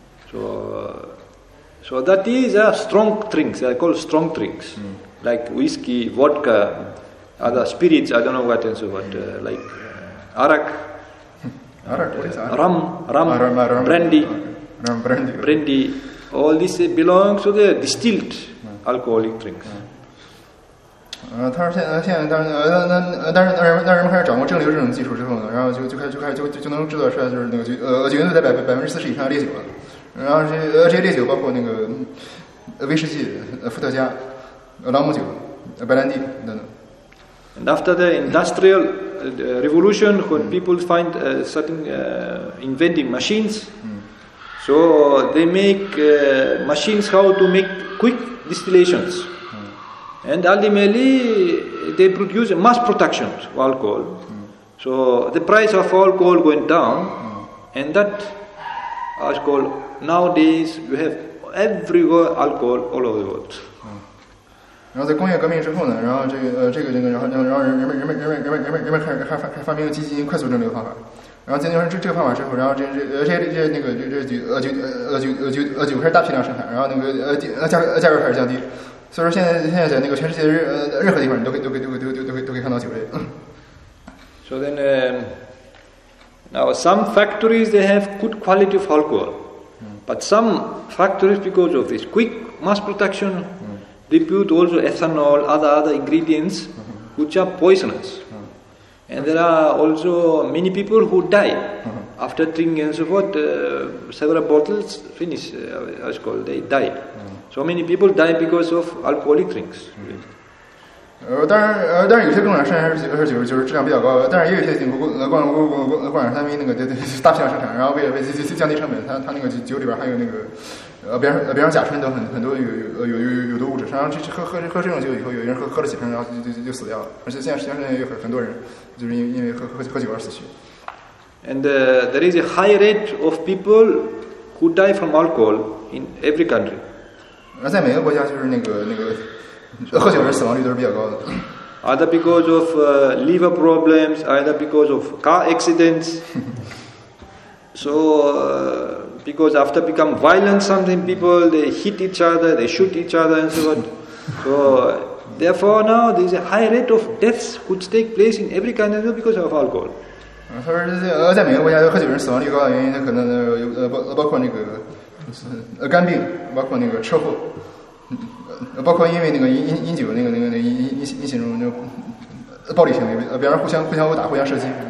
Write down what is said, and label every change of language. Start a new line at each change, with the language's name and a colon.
English: So that is a strong drinks, I call strong drinks, like whiskey, vodka, other spirits, I don't know what and so what, like arak, rum, brandy, all this belongs to the distilled alcoholic drinks.
Chinese: 他说现在但是人们开始掌握蒸馏这种技术之后呢，然后就开始能制造出来，就是那个酒精度在40%以上的烈酒了。然后这些烈酒包括那个威士忌、伏特加、朗姆酒、白兰地等等。
English: And after the industrial revolution, when people find starting inventing machines, so they make machines how to make quick distillations. And ultimately, they produce mass production of alcohol. So the price of alcohol went down, and that alcohol nowadays you have everywhere alcohol all over the world.
Chinese: 然后在工业革命之后呢，然后然后人们开始发明了基金快速蒸馏方法。然后进行这个方法之后，然后酒开始大批量生产，然后那个价格开始降低。所以说现在在那个全世界任何地方，你都可以看到酒类。
English: So then, now some factories they have good quality of alcohol, but some factories because of this quick mass production, they put also ethanol, other ingredients, which are poisonous. And there are also many people who die after drinking and so forth. Several bottles finish alcohol, they die. So many people die because of alcoholic drinks.
Chinese: 但是有些工厂生产就是质量比较高，但是也有些工厂他们那个大批量生产，然后为了降低成本，他那个酒里边还有那个比方甲醇等很多有毒物质，然后喝这种酒以后，有人喝了几瓶，然后就死掉了，而且现在有很多人就是因为喝酒而死去。
English: And there is a high rate of people who die from alcohol in every country.
Chinese: 在每个国家就是那个喝酒人死亡率都是比较高的。
English: Either because of liver problems, either because of car accidents. So. Because after become violent something, people they hit each other, they shoot each other and so on. So therefore now there is a high rate of deaths which take place in every kind of because of alcohol.
Chinese: 他说在每个国家喝酒人死亡率高的原因，可能包括那个肝病，包括那个车祸，包括因为那个饮酒那种暴力行为，别人互相殴打，互相射击。